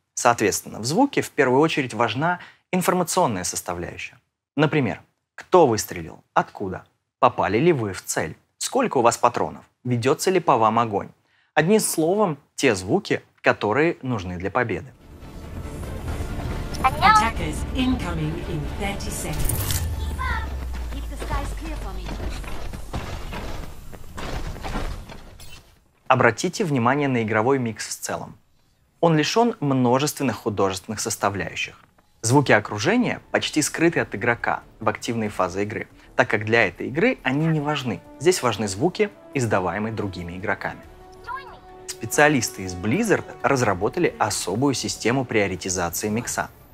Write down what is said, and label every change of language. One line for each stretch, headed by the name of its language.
Russian: Соответственно, в звуке в первую очередь важна информационная составляющая. Например, кто выстрелил, откуда, попали ли вы в цель, сколько у вас патронов, ведется ли по вам огонь. Одним словом, те звуки, которые нужны для победы.
English: Attackers incoming in 30 seconds. Keep the skies clear for me.
Russian: Обратите внимание на игровой микс в целом. Он лишен множественных художественных составляющих. Звуки окружения почти скрыты от игрока в активной фазе игры, так как для этой игры они не важны. Здесь важны звуки, издаваемые другими игроками. Специалисты из Blizzard разработали особую систему приоритизации микса.